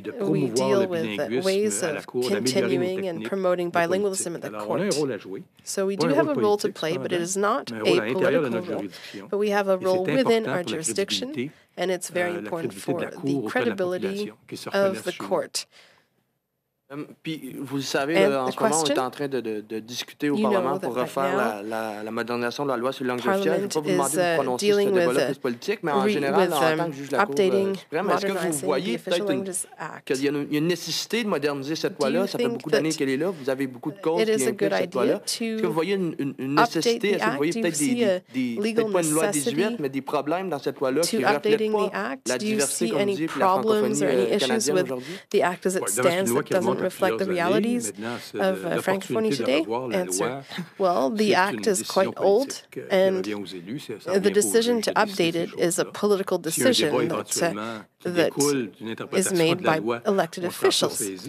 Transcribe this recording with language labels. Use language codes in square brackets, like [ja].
[en] we deal with ways of continuing and promoting bilingualism at the court. So we do have a role to play, but it is not a political role. But we have a role within our jurisdiction, and it's very important for the credibility of the court. [fr] Puis, vous le savez, là, en ce moment, on est en train de discuter au Parlement pour refaire la modernisation de la loi sur la langue officielle. Je ne vais pas vous demander de vous prononcer sur ce débat-là plus politique, mais en général, en tant que juge de la Cour suprême, est-ce que vous voyez peut-être qu'il y a une nécessité de moderniser cette loi-là? Ça fait beaucoup d'années qu'elle est là. Vous avez beaucoup de causes qui impliquent cette loi-là. Est-ce que vous voyez une nécessité? Est-ce que vous voyez peut-être peut-être pas une loi 18, mais des problèmes dans cette loi-là qui ne reflètent pas la diversité, comme vous dites, la francophonie canadienne aujourd'hui? [en] Reflect the realities of Francophonie today? Answer. Well, the act is quite old, and the decision to update it is a political decision that is made by elected officials.